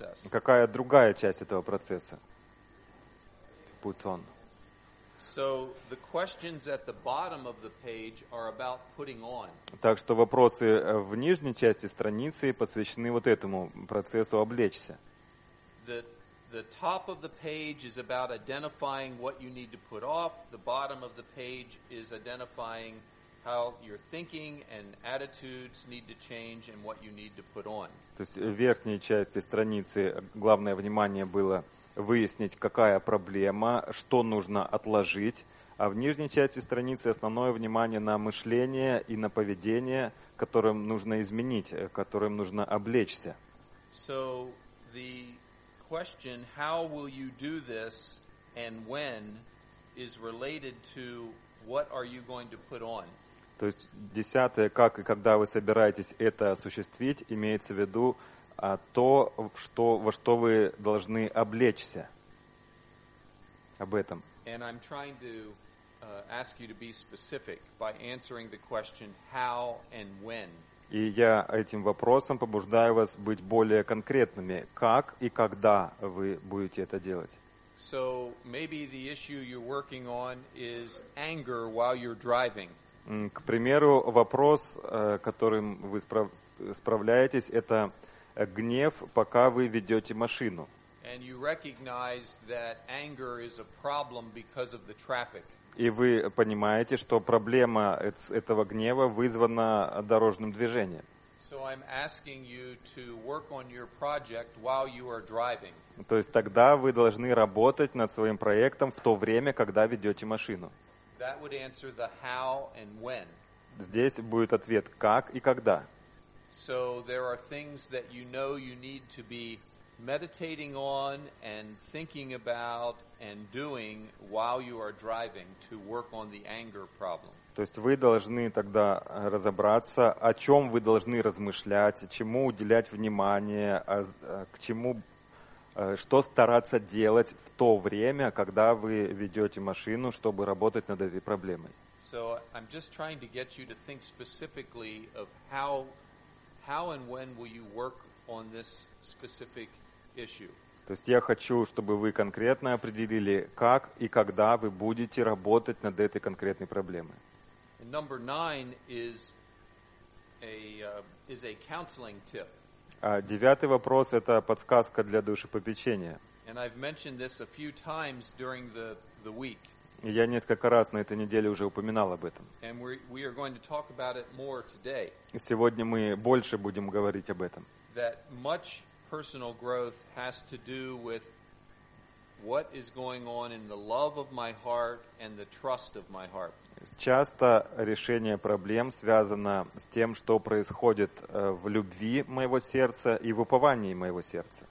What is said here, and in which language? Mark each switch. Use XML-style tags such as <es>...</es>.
<ru>Какая другая часть этого процесса?</ru> <en>Путон. So the questions at the bottom of the page are about putting on.</en> <ru>Так что вопросы в нижней части страницы посвящены вот этому процессу облечься.</ru> <en>The top of the page is about identifying what you need to put off. The bottom of the page is identifying how your thinking and attitudes need to change and what you need to put on.</en> <ru>То есть в верхней части страницы главное внимание было выяснить, какая проблема, что нужно отложить, а в нижней части страницы основное внимание на мышление и на поведение, которым нужно изменить, которым нужно облечься.</ru> <en>So the question, how will you do this and when, is related to what are you going to put on?</en> <ru>То есть десятое, как и когда вы собираетесь это осуществить, имеется в виду а то, что, во что вы должны облечься. Об этом.</ru> <en>And I'm trying to ask you to be specific by answering the question how and when.</en> <ru>И я этим вопросом побуждаю вас быть более конкретными, как и когда вы будете это делать.</ru> <en>So maybe the issue you're working on is anger while you're driving.</en> <ru>К примеру, вопрос, которым вы справляетесь, это гнев, пока вы ведете машину.</ru> <en>And you recognize that anger is a problem because of the traffic.</en> <ru>И вы понимаете, что проблема этого гнева вызвана дорожным движением.</ru> <en>So I'm asking you to work on your project while you are driving.</en> <ru>То есть тогда вы должны работать над своим проектом в то время, когда ведете машину.</ru> <en>That would answer the how and when.</en> <ru>Здесь будет ответ как и когда.</ru> <en>So there are things that you know you need to be meditating on and thinking about and doing while you are driving to work on the anger problem.</en> <ru>То есть вы должны тогда разобраться, о чем вы должны размышлять, чему уделять внимание, к чему, что стараться делать в то время, когда вы ведете машину, чтобы работать над этой проблемой.</ru> <en>So I'm just trying to get you to think specifically of how and when will you work on this specific issue?</en> <ru>То есть я хочу, чтобы вы конкретно определили, как и когда вы будете работать над этой конкретной проблемой.</ru> <en>Number 9 is a counseling tip.</en> <ru>А девятый вопрос – это подсказка для душепопечения.</ru> <en>And I've mentioned this a few times during the week.</en> <ru>Я несколько раз на этой неделе уже упоминал об этом.</ru> <en>And we are going to talk about it more today.</en> <ru>Сегодня мы больше будем говорить об этом.</ru> <en>That much personal growth has to do with what is going on in the love of my heart and the trust of my heart.</en> <ru>Часто решение проблем связано с тем, что происходит в любви моего сердца и в уповании моего сердца.</ru>